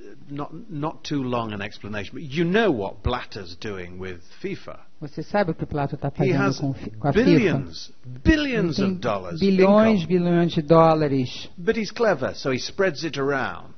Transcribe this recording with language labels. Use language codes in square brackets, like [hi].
[en] Not too long an explanation, but you know what Blatter's doing with FIFA. [pt] Você sabe o que Blatter está fazendo com a FIFA? [en] Billions of dollars. [pt] Bilhões de dólares. [en] But he's clever, so he spreads it around.